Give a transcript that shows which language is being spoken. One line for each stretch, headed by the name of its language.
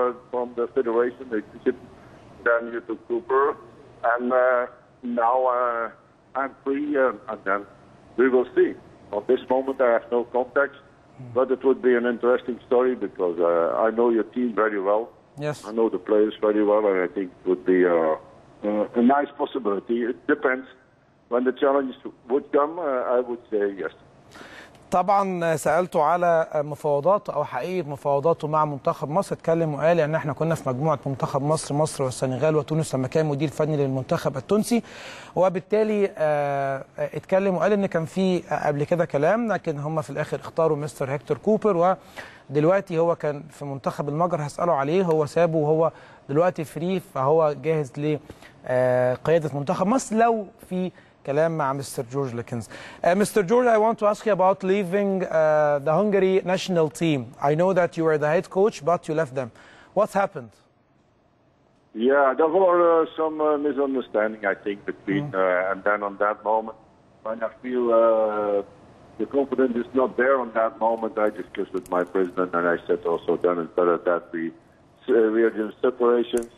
English: From the federation, the Egyptian, then you took Cooper, and now I'm free, and then we will see. At this moment, I have no contacts, but it would be an interesting story because I know your team very well. Yes, I know the players very well, and I think it would be a nice possibility. It depends when the challenge would come. I would say yes.
Arabic: طبعا سالته على مفاوضاته او حقيقه مفاوضاته مع منتخب مصر اتكلم وقال ان احنا كنا في مجموعه منتخب مصر مصر والسنغال وتونس لما كان مدير فني للمنتخب التونسي وبالتالي اتكلم وقال ان كان في قبل كده كلام لكن هم في الاخر اختاروا مستر هيكتور كوبر ودلوقتي هو كان في منتخب المجر هساله عليه هو سابه وهو دلوقتي فري، فهو جاهز لقيادة منتخب مصر لو في كلام مع مستر جورج لكنز.
English: Mister George, I want to ask you about leaving the Hungary national team. I know that you were the head coach, but you left them. What happened? Yeah, there were some misunderstanding, I think, between and then on that moment. When I feel the confidence is not there on that moment, I discussed with my president, and I said also, then it's better that we are in separation.